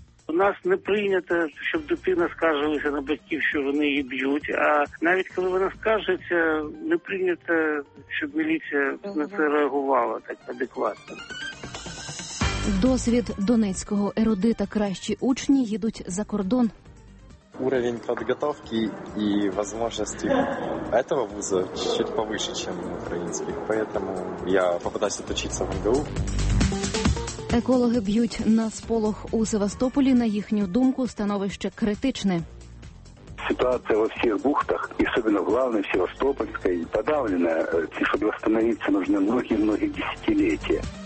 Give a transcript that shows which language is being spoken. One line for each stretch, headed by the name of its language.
Ukrainian: У нас не прийнято, щоб дитина скаржилася на батьків, що вони її б'ють. А навіть коли вона скаржиться, не прийнято, щоб міліція на це реагувала так адекватно. Досвід донецького ерудита. Кращі учні їдуть за кордон.
Russian: Уровень подготовки и возможности этого вуза чуть-чуть повыше, чем у украинских. Поэтому я попытаюсь отучиться в МГУ.
Ukrainian: Екологи б'ють на сполох у Севастополі. На їхню думку, становище критичне. Ситуація во всіх бухтах, і особливо головне в Севастопольській, подавлена. Щоб встановитися, потрібно многі-многі десятиліття.